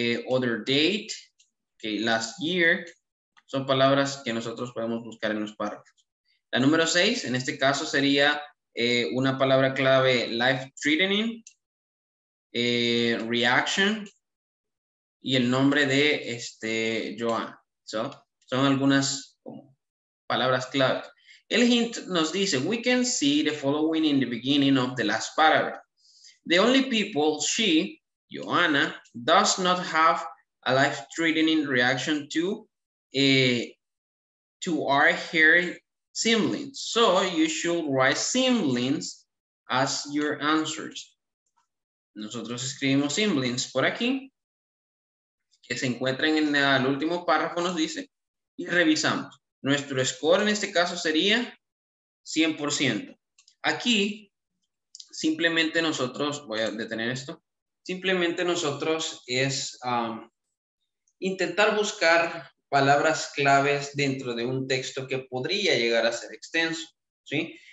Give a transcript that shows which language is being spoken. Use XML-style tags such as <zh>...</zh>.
<en>other date, okay, last year,</en> <es>son palabras que nosotros podemos buscar en los párrafos. La número 6, en este caso, sería una palabra clave, life threatening, reaction, y el nombre de este, Joan. So, son algunas palabras clave. El hint nos dice,</es> <en>we can see the following in the beginning of the last paragraph. The only people she, Joanna, does not have a life-threatening reaction to are her siblings. So you should write siblings as your answers.</en> <es>Nosotros escribimos siblings por aquí, que se encuentran en el último párrafo, nos dice, y revisamos. Nuestro score en este caso sería 100%. Aquí, simplemente nosotros, voy a detener esto, simplemente nosotros es intentar buscar palabras claves dentro de un texto que podría llegar a ser extenso, ¿sí?</es>